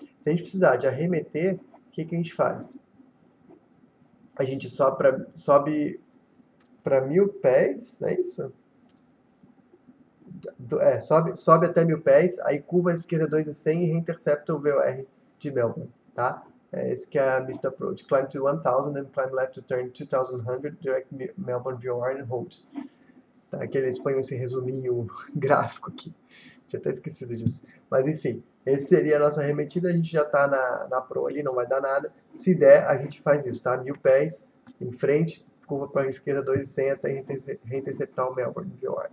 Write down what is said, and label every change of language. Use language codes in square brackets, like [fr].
[pt] Se a gente precisar de arremeter, o que a gente faz? A gente sobe para 1.000 pés, não é isso? Sobe até 1.000 pés, aí curva à esquerda 2 a 100 e reintercepta o VOR de Melbourne, tá? Esse que é a missed approach. [en] Climb to 1000 and climb left to turn 2100, direct Melbourne VOR and hold. [pt] Tá? Aquele espanhol, esse resuminho gráfico aqui. Tinha até esquecido disso. Mas enfim, esse seria a nossa arremetida. A gente já tá na pro ali, não vai dar nada. Se der, a gente faz isso, tá? 1.000 pés em frente. Curva para a esquerda 2 e 100 até reinterceptar o Melbourne VOR.